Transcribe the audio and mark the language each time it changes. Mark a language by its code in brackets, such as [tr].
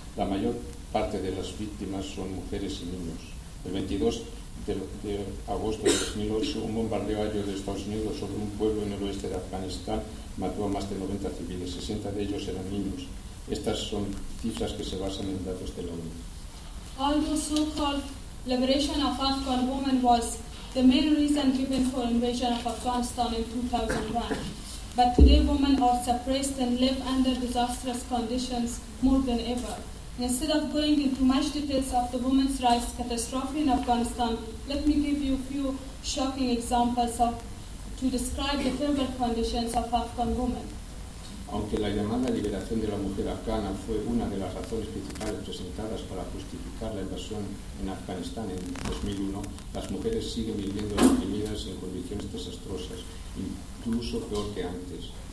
[es] La mayor parte de las víctimas son mujeres y niños. El 22 de agosto de 2008, un bombardeo aéreo de Estados Unidos sobre un pueblo en el oeste de Afganistán mató a más de 90 civiles, 60 de ellos eran niños. Estas son cifras que se basan en datos de la ONU. [en] Although so-called liberation of Afghan women was the main reason given for invasion of Afghanistan in 2001, but today women are suppressed and live under disastrous conditions more than ever. Instead of going into much details of the women's rights catastrophe in Afghanistan, let me give you a few shocking examples to describe the terrible conditions of Afghan women. [es] Aunque la llamada liberación de la mujer afgana fue una de las razones principales presentadas para justificar la invasión en Afganistán en 2001, las mujeres siguen viviendo reprimidas en condiciones desastrosas, incluso peor que antes.